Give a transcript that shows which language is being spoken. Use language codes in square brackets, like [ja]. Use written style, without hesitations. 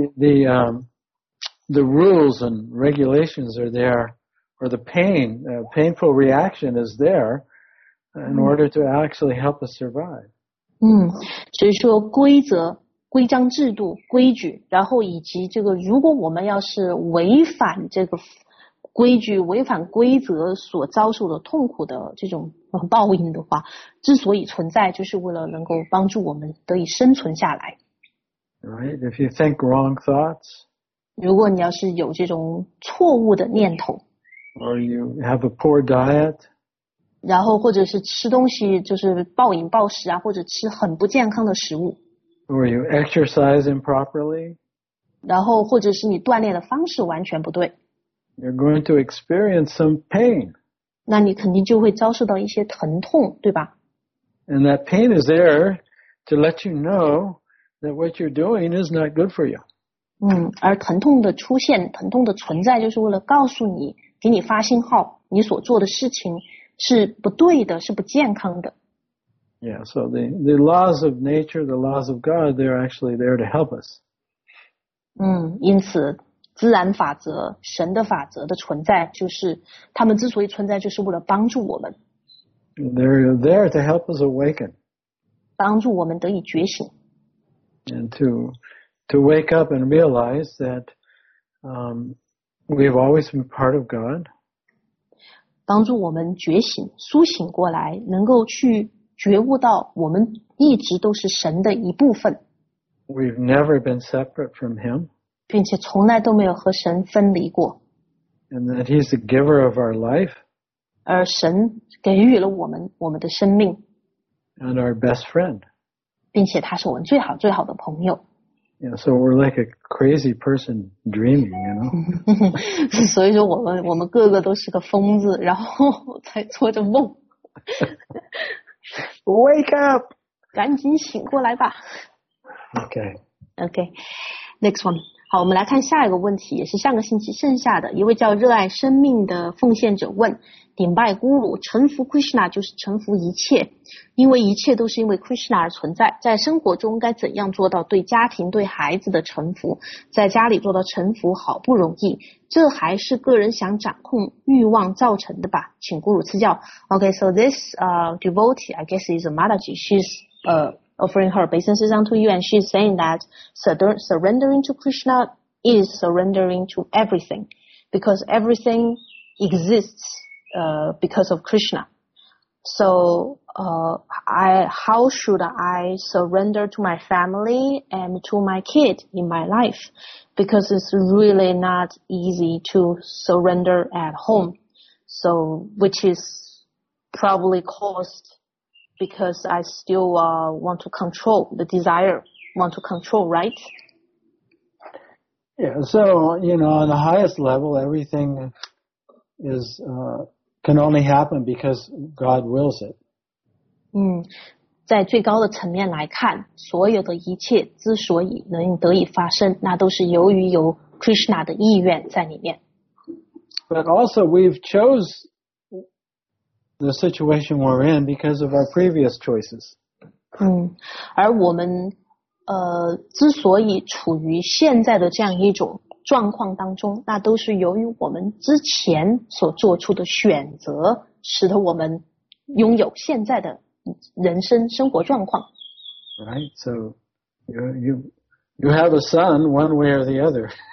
[en] The rules and regulations are there, or the pain, painful reaction is there in order to actually help us survive. [zh] 所以说规则规章制度规矩，然后以及这个如果我们要是违反这个规矩违反规则所遭受的痛苦的这种报应的话，之所以存在就是为了能够帮助我们得以生存下来。 [en] Right, if you think wrong thoughts, [zh] 如果你要是有这种错误的念头， [en] or you have a poor diet, [zh] 然后或者是吃东西就是暴饮暴食啊，或者吃很不健康的食物， [en] or you exercise improperly, [zh] 然后或者是你锻炼的方式完全不对， [en] You're going to experience some pain. [zh] 那你肯定就会遭受到一些疼痛，对吧？ [en] And that pain is there to let you know that what you're doing is not good for you. [zh] 而疼痛的出现，疼痛的存在就是为了告诉你，给你发信号，你所做的事情是不对的，是不健康的。 [en] Yeah, so the laws of nature, the laws of God, they're actually there to help us. [zh] 因此自然法则、神的法则的存在，就是他们之所以存在，就是为了帮助我们。 [en] They're there to help us awaken. [zh] 帮助我们得以觉醒。 [en] And to wake up and realize that, we've always been part of God. [zh] 帮助我们觉醒、苏醒过来，能够去觉悟到我们一直都是神的一部分。 [en] We've never been separate from Him. [zh] 并且从来都没有和神分离过。 [en] And that he's the giver of our life. [zh] 而神给予了我们的生命。 [en] And our best friend. [zh] 并且他是我们最好最好的朋友。 [en] Yeah, so we're like a crazy person dreaming, you know? [zh] 所以说我们个个都是个疯子，然后才做着梦。 [en] Wake up! [zh] 赶紧醒过来吧。 [en] Okay. Okay, next one. [zh] 好，我们来看下一个问题，也是上个星期剩下的一位叫热爱生命的奉献者问，顶拜孤鲁，臣服 Krishna 就是臣服一切，因为一切都是因为 Krishna 而存在，在生活中该怎样做到对家庭对孩子的臣服，在家里做到臣服好不容易，这还是个人想掌控欲望造成的吧，请孤鲁赐教。 [en] OK, so this devotee I guess is a Mataji, she'soffering her obeisances unto you, and she's saying that surrendering to Krishna is surrendering to everything, because everything exists, because of Krishna. So, how should I surrender to my family and to my kid in my life? Because it's really not easy to surrender at home. So, which is probably caused because I still want to control the desire, want to control, right? Yeah, so, you know, on the highest level, everything is, can only happen because God wills it. [zh] 在最高的层面来看，所有的一切之所以能得以发生，那都是由于有 Krishna 的意愿在里面。 [en] But also we've chose... the situation we're in because of our previous choices. [zh] 而我们之所以处于现在的这样一种状况当中，那都是由于我们之前所做出的选择使得我们拥有现在的人生生活状况。 [en] Right, so you have a son one way or the other.